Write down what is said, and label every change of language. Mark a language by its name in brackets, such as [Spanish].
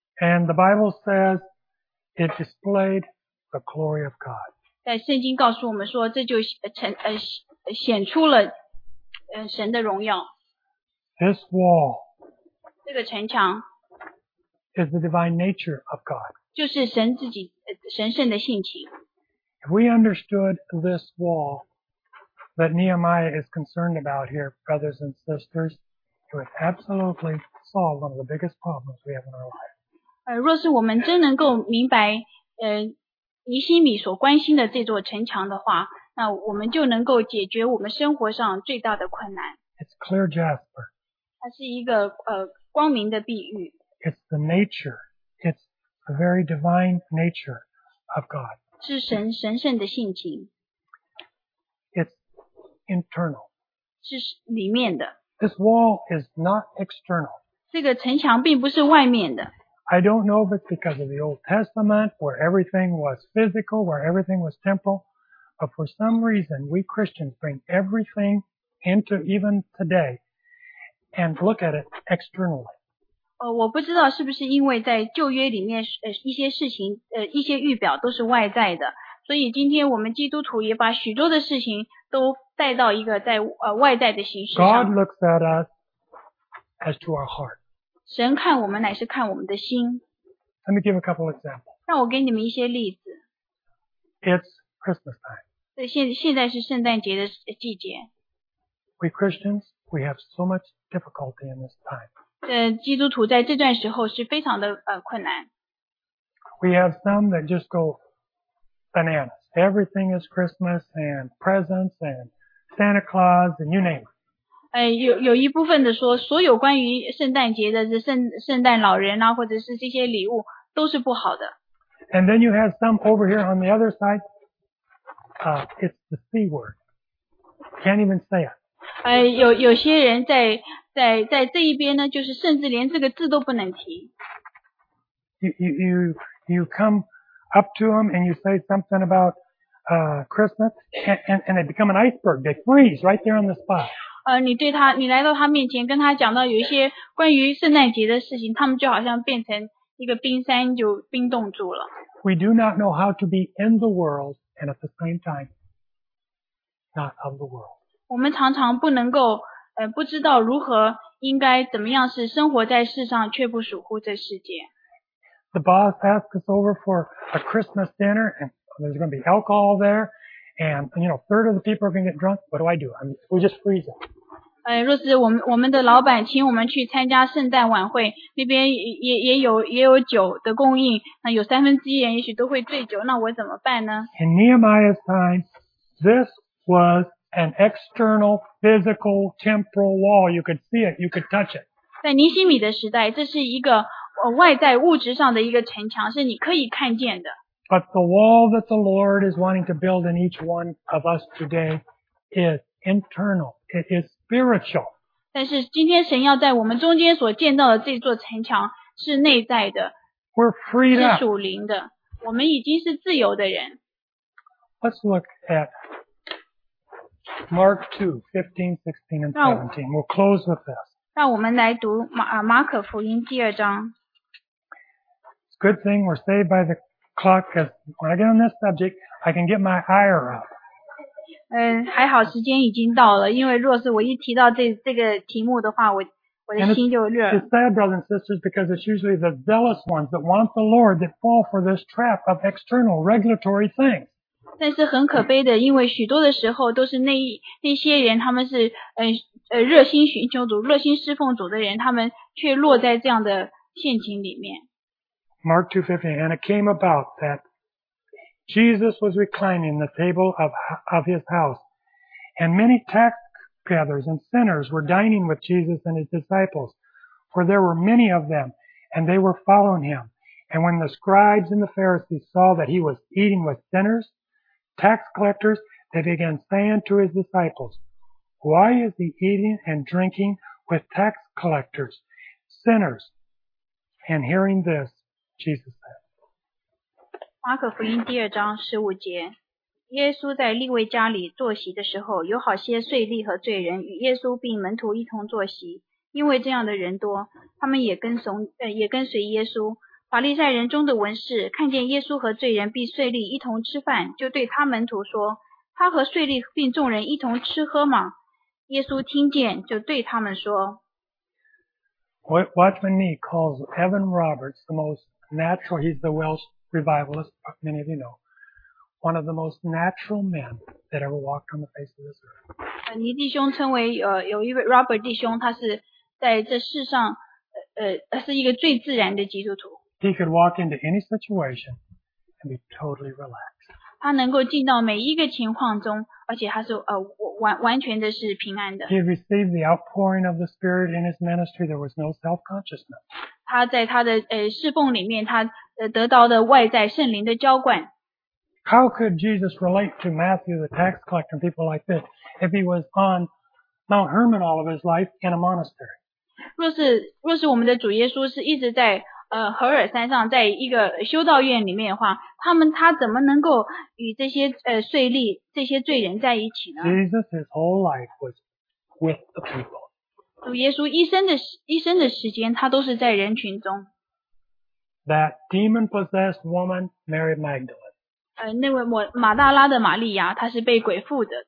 [English] And the Bible says it displayed the glory of God. [Chinese] 在圣经告诉我们说，这就显出了神的荣耀。 [English] This wall, [Chinese] 这个城墙 [English] is the divine nature of God. [Chinese] 就是神自己神圣的性情。 [English] If we understood this wall that Nehemiah is concerned about here, brothers and sisters. It would absolutely solve one of the biggest problems we have in our life. [Chinese] 若是我们真能够明白尼希米所关心的这座城墙的话，那我们就能够解决我们生活上最大的困难。 [English] It's clear jasper. [Chinese] 它是一个光明的碧玉。 [English] It's the nature. It's the very divine nature of God. [Chinese] 是神圣的性情。 [English] It's internal. [Chinese] 是里面的。 [English] This wall is not external. [Chinese] 这个城墙并不是外面的。 [English] I don't know if it's because of the Old Testament, where everything was physical, where everything was temporal, but for some reason, we Christians bring everything into even today and look at it externally. [Chinese] 我不知道是不是因为在旧约里面一些事情一些预表都是外在的。所以今天我们基督徒也把许多的事情都带到一个在外在的形式上。 [English] God looks at us as to our heart. [Chinese] 神看我们乃是看我们的心。 [English] Let me give a couple examples. [Chinese] 让我给你们一些例子。 [English] It's Christmas time. [Chinese] 现在是圣诞节的季节。 [English] We Christians, we have so much difficulty in this time. [Chinese] 基督徒在这段时候是非常的困难。 [English] We have some that just go... Bananas. Everything is Christmas and presents and Santa Claus and you name it. [Chinese] 有一部分的说，所有关于圣诞节的圣诞老人啊，或者是这些礼物都是不好的。 [English] And then you have some over here on the other side. It's the C word. Can't even say it. [Chinese] 有些人在这一边呢，就是甚至连这个字都不能提。 [English] You come. Up to them and you say something about Christmas and they become an iceberg. They freeze right there on the spot. [Chinese] 你来到他面前跟他讲到有一些关于圣诞节的事情，他们就好像变成一个冰山，就冰冻住了。 [English] We do not know how to be in the world and at the same time not of the world. [Chinese] 我们常常不能够不知道如何应该怎么样是生活在世上却不属乎这世界。 [English] The boss asks us over for a Christmas dinner, and there's going to be alcohol there, and you know, a third of the people are going to get drunk. What do? We just freeze it. [Chinese] 若是我们的老板请我们去参加圣诞晚会，那边也有酒的供应，那有三分之一人也许都会醉酒，那我怎么办呢？ [English] In Nehemiah's time, this was an external, physical, temporal wall. You could see it. You could touch it. [Chinese] 在尼希米的时代，这是一个。外在物质上的一个城墙是你可以看见的。 [English] But the wall that the Lord is wanting to build in each one of us today is internal. It is spiritual. [Chinese] 但是今天神要在我们中间所建造的这座城墙是内在的。 [English] We're freed up. [Chinese] 是属灵的。我们已经是自由的人。 [English] Let's look at Mark 2, 15, 16, and 17. We'll close with this. [Chinese] 让我们来读马可福音第二章。 [English] It's a good thing we're saved by the clock because when I get on this subject, I can get my ire up. [Chinese] 还好时间已经到了，因为若是我一提到这个题目的话，我的心就热。 [English] It's sad, brothers and sisters, because it's usually the zealous ones that want the Lord that fall for this trap of external regulatory things. [Chinese] 但是很可悲的，因为许多的时候都是那些人，他们是热心寻求主、热心侍奉主的人，他们却落在这样的陷阱里面。 [English] Mark 2:15, and it came about that Jesus was reclining the table of his house, and many tax gatherers and sinners were dining with Jesus and his disciples, for there were many of them, and they were following him. And when the scribes and the Pharisees saw that he was eating with sinners, tax collectors, they began saying to his disciples, "Why is he eating and drinking with tax collectors, sinners?" And hearing this, Jesus said. [Chinese] 马可福音第二章十五节，耶稣在利未家里坐席的时候，有好些税吏和罪人与耶稣并门徒一同坐席，因为这样的人多，他们也跟随耶稣。法利赛人中的文士看见耶稣和罪人并税吏一同吃饭，就对他门徒说，他和税吏并众人一同吃喝吗？耶稣听见就对他们说。 [English] Watchman Nee calls Evan Roberts the most natural, he's the Welsh revivalist, many of you know, one of the most natural men that ever walked on the face of this earth. [Chinese] 尼弟兄称为有一位 Robert 弟兄，他是在这世上是一个最自然的基督徒。 [English] He could walk into any situation and be totally relaxed. [Chinese] 他能够进到每一个情况中，而且他是完全的是平安的。 [English] He received the outpouring of the Spirit in his ministry. There was no self-consciousness. [Chinese] 他在他的侍奉里面，他得到的外在圣灵的浇灌。 [English] How could Jesus relate to Matthew, the tax collector, and people like this if he was on Mount Hermon all of his life in a monastery? [Chinese] 若是我们的主耶稣是一直在荷尔山上在一个修道院里面的话，他怎么能够与这些税吏这些罪人在一起呢？ [English] Jesus, his whole life was with the people. [Chinese] 主耶稣一生的时间他都是在人群中。 [English] That demon-possessed woman, Mary Magdalene. [Chinese] 那位马大拉的玛利亚，她是被鬼附的。